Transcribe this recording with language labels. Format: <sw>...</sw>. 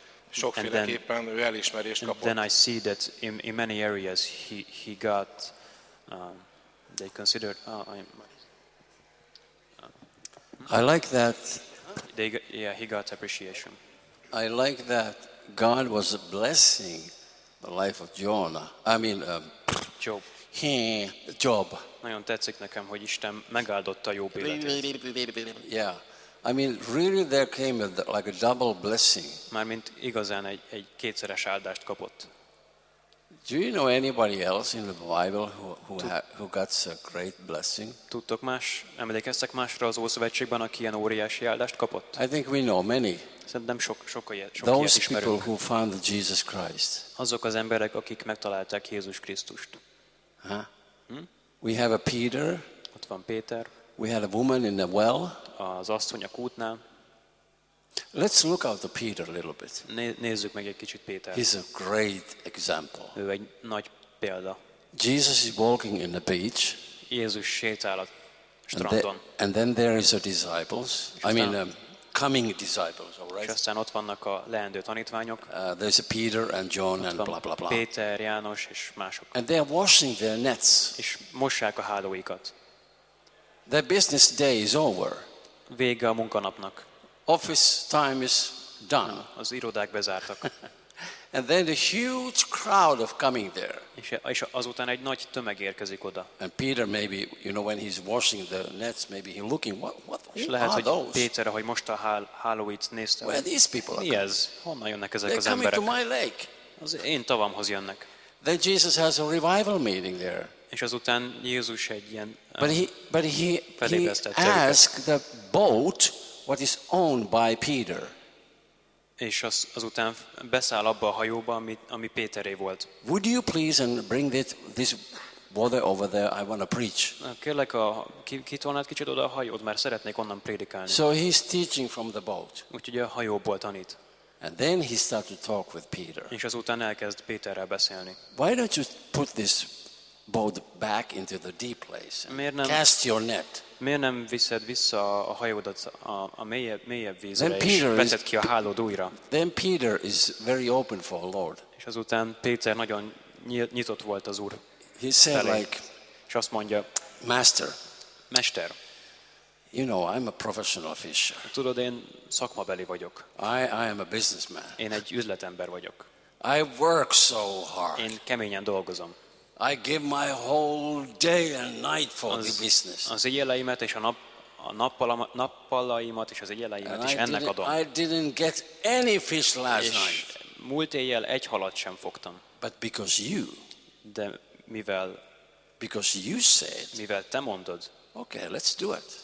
<hu>Sokféleképpen ő elismerést kapott.</hu> <en>And then I see that in many areas he got they considered I like that he got appreciation. I like that God was blessing the life of Jonah. I mean Job. Job.</en> <hu>Nagyon tetszik nekem, hogy Isten megáldotta Jób életét.</hu> <en>Yeah. I mean, really there came like a double blessing.</en> <hu>Mármint igazán egy kétszeres áldást kapott.</hu> <en>Do you know anybody else in the Bible who got a great blessing?</en> <hu>Tudtok más, emlékeztek másra az Ószövetségben, aki ilyen óriási áldást kapott?</hu> <en>I think we know many.</en> <hu>Szerintem sok ilyet ismerünk.</hu> <en>Those people who found Jesus Christ.</en> <hu>Azok az emberek, akik megtalálták Jézus Krisztust.</hu> <en>We have a Peter.</en> <hu>Ott van Péter.</hu> <en>We had a woman in the well.</en> <hu>Az asszony a kútnál.</hu> <en>Let's look at the Peter a little bit.</en> <hu>Nézzük meg egy kicsit Pétert.</hu> <en>He's a great example.</en> <hu>Ő egy nagy példa.</hu> <en>Jesus is walking in the beach.</en> <hu>Jézus sétál a strandon.</hu> <en>And then there is a disciples. I mean coming disciples, all right?</en> <hu>És aztán ott vannak a leendő tanítványok.</hu> <en>There's a Peter and John and blah blah blah.</en> <hu>Péter, János és mások.</hu> <en>And they are washing their nets.</en> <hu>És mossák a hálóikat.</hu> <en>Their business day is over.</en> <hu>Vége a munkanapnak.</hu> <en>Office time is done.</en> <hu>Az irodák bezártak.</hu> <en>And then a huge crowd of coming there.</en> <hu>És azután egy nagy tömeg érkezik oda.</hu> <en>And Peter maybe, you know, when he's washing the nets, maybe he's looking, what</en> <hu>és lehet, hogy Péter, ahogy most a hálóit nézte.</hu> <en>Where these people are</en> <hu>mi ez? Honnan jönnek ezek</hu> <en>They're</en> <hu>az emberek?</hu> <en>They're coming to my lake.</en> <hu>Az én tavamhoz jönnek.</hu> <en>Then Jesus has a revival meeting there.</en> <hu>És azután Jézus egy ilyen felébresztett őket.</hu> <en>But he asked the boat what is owned by Peter.</en> <hu>És azután beszáll abba a hajóba, ami Péteré volt.</hu> <en>Would you please and bring this water over there? I want to preach.</en> <hu>Kérlek, kitolnád kicsit oda a hajót, mert szeretnék onnan prédikálni.</hu> <en>So he's teaching from the boat.</en> <hu>Úgyhogy a hajóból tanít.</hu> <en>And then he starts to talk with Peter.</en> <hu>És azután elkezd Péterrel beszélni.</hu> <en>Why don't you put this boat back into the deep place?</en> <hu>Miért nem</hu> <en>cast your net?</en> <hu>Miért nem viszed vissza a hajódat a mélyebb vízre, és vetted ki a hálód újra?</hu> <en>Then Peter is very open for the Lord.</en> <hu>És azután Péter nagyon nyitott volt az Úr.</hu> <en>He said like,</en> <hu>és azt mondja,</hu> <en>Master,</en> <hu>Mester,</hu> <en>you know, I'm a professional fisher.</en> <hu>Tudod, én szakmabeli vagyok.</hu> <en>I am a businessman.</en> <hu>Én egy üzletember vagyok.</hu> <en>I work so hard.</en> <hu>Én keményen dolgozom.</hu> <en>I give my whole day and night for the business.</en> <hu>Az éjjelimet és a nappalaimat és az éjjelimet is ennek adom.</hu> <en>I didn't get any fish last night.</en> <hu>Múlt éjjel egy halat sem fogtam.</hu> <en>But because you.</en> <hu>De mivel.</hu> <en>Because you said.</en> <hu>Mivel te mondod.</hu> <en>Okay, let's do it.</en>